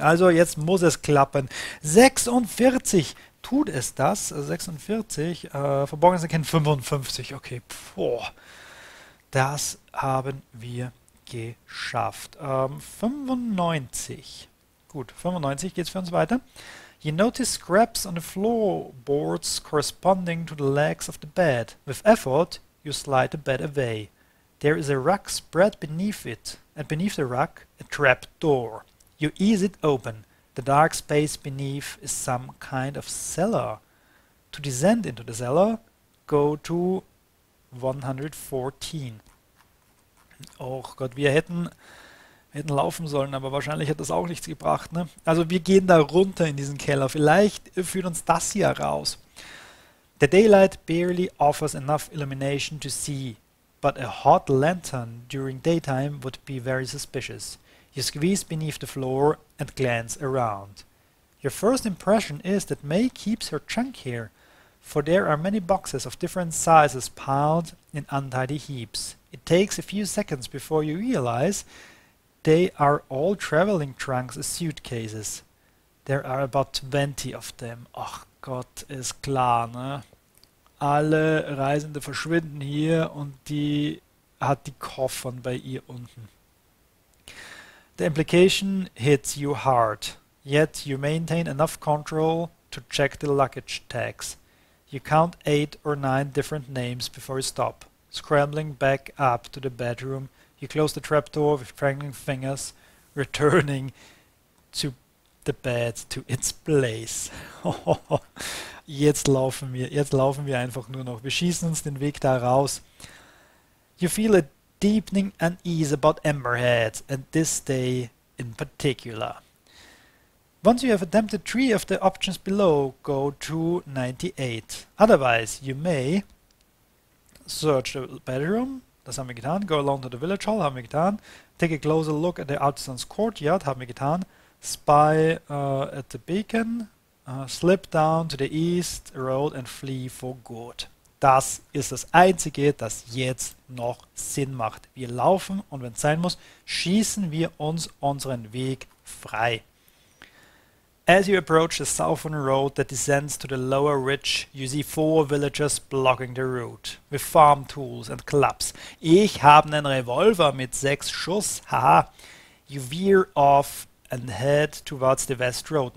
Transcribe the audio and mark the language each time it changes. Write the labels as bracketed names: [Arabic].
[German] Also, jetzt muss es klappen. 46! Tut es das? 46? Verborgenes Erkennen 55. Okay, boah. Das haben wir geschafft. 95. Gut, 95 geht's für uns weiter. [English] You notice scraps on the floorboards corresponding to the legs of the bed. With effort, you slide the bed away. There is a rug spread beneath it, and beneath the rug, a trap door. You ease it open. The dark space beneath is some kind of cellar. To descend into the cellar, go to 114. [German] Och Gott, wir hätten laufen sollen, aber wahrscheinlich hat das auch nichts gebracht, ne? Also wir gehen da runter in diesen Keller. Vielleicht führt uns das hier raus. [English] The daylight barely offers enough illumination to see, but a hot lantern during daytime would be very suspicious. You squeeze beneath the floor and glance around. Your first impression is that May keeps her junk here, for there are many boxes of different sizes piled in untidy heaps. It takes a few seconds before you realize they are all traveling trunks and suitcases. There are about 20 of them. [German] Ach Gott, ist klar, ne? Alle Reisende verschwinden hier und die hat die Koffern bei ihr unten. [English] The implication hits you hard, yet you maintain enough control to check the luggage tags. You count 8 or 9 different names before you stop. Scrambling back up to the bedroom, you close the trapdoor with trembling fingers, returning to the bed to its place. [German] Jetzt laufen wir einfach nur noch. Wir schießen uns den Weg da raus. [English] You feel a deepening unease about Amberhead and this day in particular. Once you have attempted 3 of the options below, go to 98. Otherwise, you may search the bedroom, [German] das haben wir getan, [English] go along to the village hall, [German] haben wir getan, [English] take a closer look at the artisan's courtyard, haben wir getan, spy at the beacon, slip down to the east road and flee for good. [German] Das ist das Einzige, das jetzt noch Sinn macht. Wir laufen und wenn es sein muss, schießen wir uns unseren Weg frei. [English] As you approach the southern road that descends to the lower ridge, you see 4 villagers blocking the route with farm tools and clubs. [German] Ich habe einen Revolver mit 6 Schuss, haha. [English] You veer off and head towards the west road.